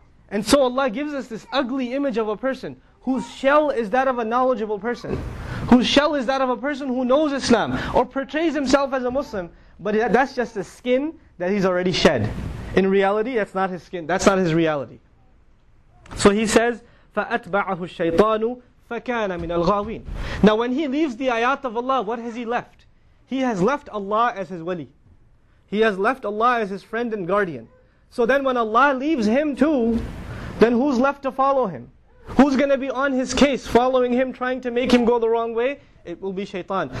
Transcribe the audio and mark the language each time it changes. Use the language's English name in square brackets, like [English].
[English] And so Allah gives us this ugly image of a person whose shell is that of a knowledgeable person, whose shell is that of a person who knows Islam, or portrays himself as a Muslim, but that's just a skin that he's already shed. In reality, that's not his skin, that's not his reality. So he says, [Arabic] فَأَتْبَعَهُ الشَّيْطَانُ فَكَانَ مِنَ الْغَاوِينَ. [English] Now when he leaves the ayat of Allah, what has he left? He has left Allah as his wali. He has left Allah as his friend and guardian. So then when Allah leaves him too, then who's left to follow him? Who's going to be on his case following him, trying to make him go the wrong way? It will be shaitan.